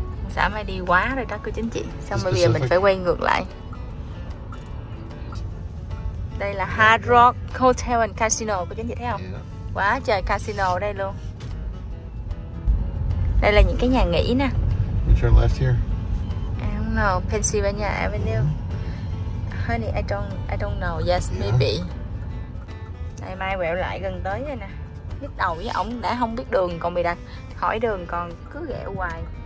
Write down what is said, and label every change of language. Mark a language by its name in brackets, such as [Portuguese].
[Vietnamese] Xã mai đi quá rồi đó coi chứ anh chị. Xong rồi bây giờ mình phải quay ngược lại. Đây là Hard Rock Hotel and Casino coi chứ anh chị thấy không? [English] Yeah. [Vietnamese] Quá trời casino ở đây luôn. Đây là những cái nhà nghỉ nè. [English] You turn left here. I don't know, Pennsylvania Avenue. Honey, I don't know. Yes, yeah. Maybe. [Vietnamese] Đây Mai quẹo lại gần tới rồi nè. Nhức đầu với ổng đã không biết đường còn bị đặt hỏi đường còn cứ ghẹo hoài.